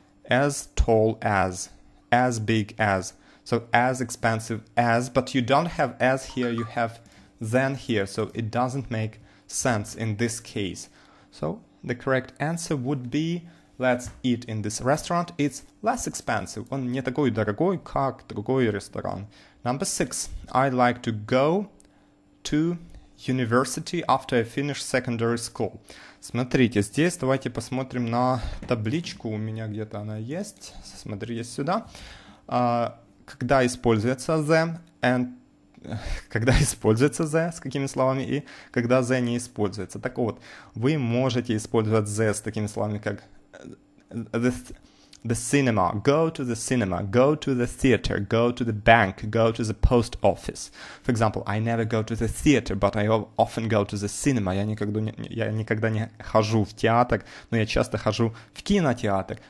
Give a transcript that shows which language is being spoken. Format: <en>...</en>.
<en>As tall as big as, so as expensive as, but you don't have as here, you have than here, so it doesn't make sense in this case. So the correct answer would be: let's eat in this restaurant. It's less expensive.</en> <ru>Он не такой дорогой, как другой ресторан.</ru> <en>Number 6. I'd like to go to university after I finish secondary school.</en> <ru>Смотрите, здесь давайте посмотрим на табличку. У меня где-то она есть. Смотрите сюда. Когда используется the,</ru> <en>and</en> <ru>когда используется the, с какими словами, и когда the не используется. Так вот, вы можете использовать the с такими словами, как</ru> <en>the cinema, go to the cinema, go to the theater, go to the bank, go to the post office. For example, I never go to the theater, but I often go to the cinema.</en> <ru>Я никогда не хожу в театр, но я часто хожу в кинотеатр.</ru>